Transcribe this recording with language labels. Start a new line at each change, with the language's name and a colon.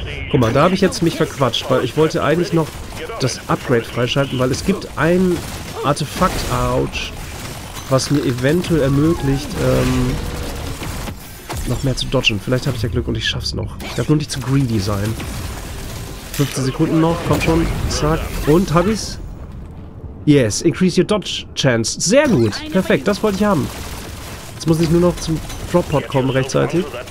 German: Guck mal, da habe ich jetzt mich verquatscht, weil ich wollte eigentlich noch das Upgrade freischalten, weil es gibt ein Artefakt, ouch, was mir eventuell ermöglicht, noch mehr zu dodgen. Vielleicht habe ich ja Glück und ich schaff's noch. Ich darf nur nicht zu greedy sein. 15 Sekunden noch, komm schon. Zack. Und, hab ich's?
English: Yes, increase your dodge chance.
German: Sehr gut, perfekt, das wollte ich haben. Jetzt muss ich nur noch zum Droppod kommen rechtzeitig.